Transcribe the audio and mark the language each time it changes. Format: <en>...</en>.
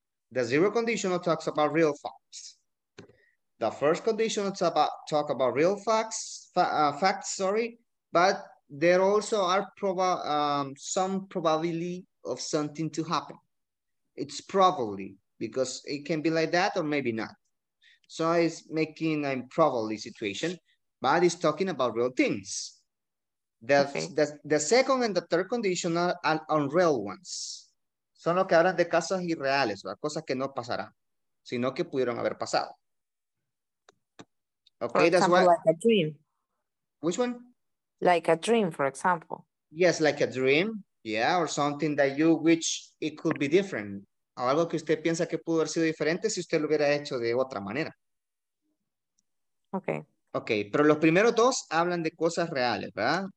<en>The zero conditional talks about real facts. The first conditional talk about real facts, facts, sorry, but there also are some probability of something to happen. It's probably, because it can be like that or maybe not. So it's making an improbable situation, but it's talking about real things. The second and the third conditional are unreal ones.</en> <es>Son los que hablan de casos irreales, ¿verdad? Cosas que no pasarán, sino que pudieron haber pasado.</es> <en>Okay, that's why. Like a dream. Which one? Like a dream, for example. Yes, like a dream. Yeah, or something that you wish it could be different.</en> <es>O algo que usted piensa que pudo haber sido diferente si usted lo hubiera hecho de otra manera.</es> <en>Okay.</en> <es>Okay, pero los primeros dos hablan de cosas reales, ¿verdad?</es>